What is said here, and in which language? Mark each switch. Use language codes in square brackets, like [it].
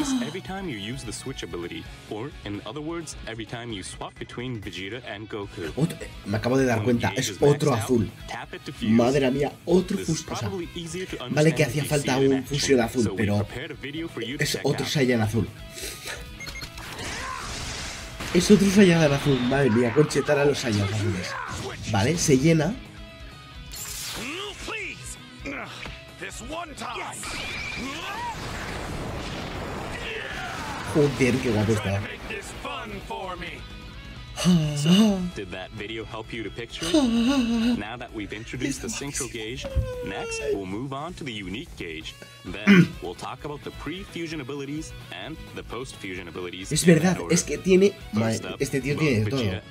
[en] Every time you use the switch ability, or in other words, every time you swap between Vegeta and Goku. [es] Me acabo de dar cuenta, es otro azul. Madre mía, otro fusión. Vale que hacía falta un fusión azul, pero es otro Saiyan azul. Es otro Saiyan azul, madre mía, conchetar a los Saiyan azules. Vale, se llena. Joder, qué guapo está. [en] So, did that video help you to picture it? Now that we've introduced the synchro gauge, next we'll move on to the unique gauge. Then we'll talk about the pre-fusion abilities and the post-fusion abilities. [es] Es verdad, es que tiene este tío tiene todo.